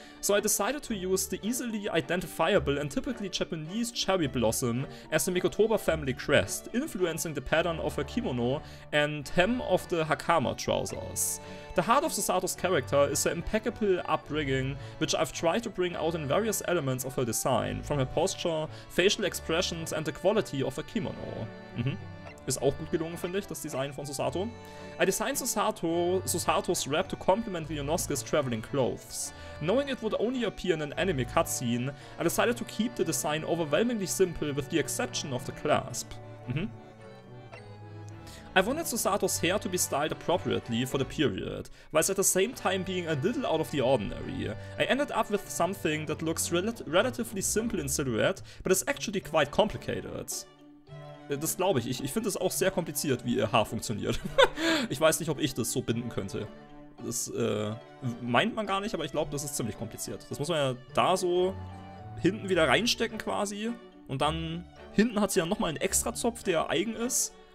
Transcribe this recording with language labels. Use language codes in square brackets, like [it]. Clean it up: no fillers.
[en] So I decided to use the easily identifiable and typically Japanese cherry blossom as the Mikotoba family crest, influencing the pattern of her kimono and hem of the Hakama trousers. The heart of Susato's character is her impeccable upbringing, which I've tried to bring out in various elements of her design, from her posture, facial expressions and the quality of her kimono. [de] Ist auch gut gelungen, finde ich, das Design von Susato. [en] I designed Susato's wrap to complement Ryunosuke's traveling clothes. Knowing it would only appear in an anime cutscene, I decided to keep the design overwhelmingly simple with the exception of the clasp. I wanted Susato's hair to be styled appropriately for the period, whilst at the same time being a little out of the ordinary. I ended up with something that looks relatively simple in silhouette, but is actually quite complicated. [de] Das glaube ich. Ich finde es auch sehr kompliziert, wie ihr Haar funktioniert. Ich weiß nicht, ob ich das so binden könnte. Das meint man gar nicht, aber ich glaube, das ist ziemlich kompliziert. Das muss man ja da so hinten wieder reinstecken quasi. Und dann hinten hat sie ja nochmal einen Extra-Zopf, der eigen ist.